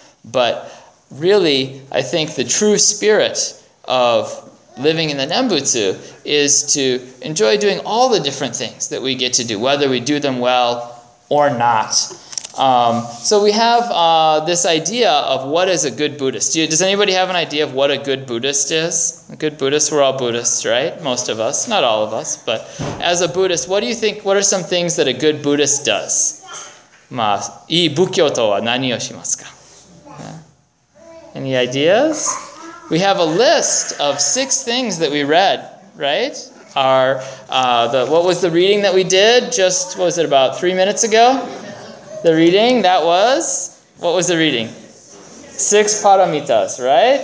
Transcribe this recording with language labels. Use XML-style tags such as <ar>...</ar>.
<en>But really, I think the true spirit of living in the Nembutsu is to enjoy doing all the different things that we get to do, whether we do them well or not. So we have this idea of what is a good Buddhist. Does anybody have an idea of what a good Buddhist is? A good Buddhist, we're all Buddhists, right? Most of us, not all of us, but as a Buddhist, what do you think, what are some things that a good Buddhist does?</en> <ja>まあ、いい仏教とは何をしますか?</ja> <en>Any ideas? We have a list of 6 things that we read, right? What was the reading that we did just, what was it, about 3 minutes ago? The reading, that was, what was the reading? 6 paramitas, right?</en>